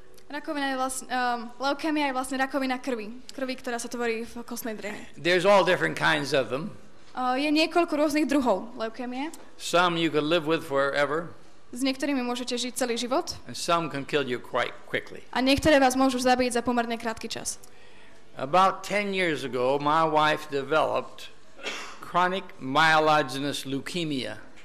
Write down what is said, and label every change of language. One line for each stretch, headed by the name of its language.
Slovak: Rakovina je leukémia je vlastne rakovina krvi, krvi, ktorá sa tvorí v kostnej dreni.
English: There's all different kinds of them.
Slovak: Je niekoľko rôznych druhov leukémie.
English: Some you can live with forever.
Slovak: S niektorými môžete žiť celý život.
English: And some can kill you quite quickly.
Slovak: A niektoré vás môžu zabiť za pomerne krátky čas.
English: About 10 years ago, my wife developed chronic myelogenous leukemia.